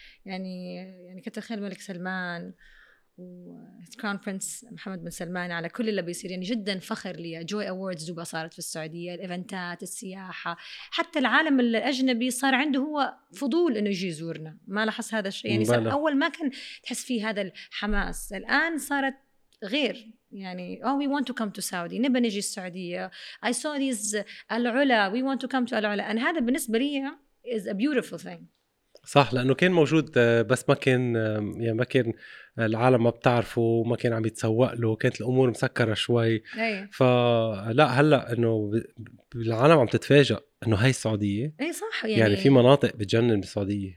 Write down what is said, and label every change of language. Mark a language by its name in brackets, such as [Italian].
[Arabic] يعني كتر خير الملك سلمان وكرون برنس محمد بن سلمان على كل اللي بيصير. يعني جدا فخر لي جوي أوردز دوبا صارت في السعودية، الإيفنتات، السياحة، حتى العالم الأجنبي صار عنده هو فضول إنه يجي يزورنا. ما لاحظ هذا الشيء؟ يعني أول ما كان تحس فيه هذا الحماس، الآن صارت غير. [English] يعني oh we want to come to Saudi، [Arabic] نبى نجي السعودية. [English] I saw these العلا، we want to come to العلا. and [Arabic] هذا بالنسبة لي [English] is a beautiful thing. [Arabic] صح، لأنه كان موجود بس ما كان، يعني ما كان العالم ما بتعرفه وما كان عم يتسوق له، كانت الأمور مسكرة شوي. أي. فلا هلأ أنه العالم عم تتفاجأ أنه هاي السعودية. أي صح. يعني في مناطق بتجنن بالسعودية.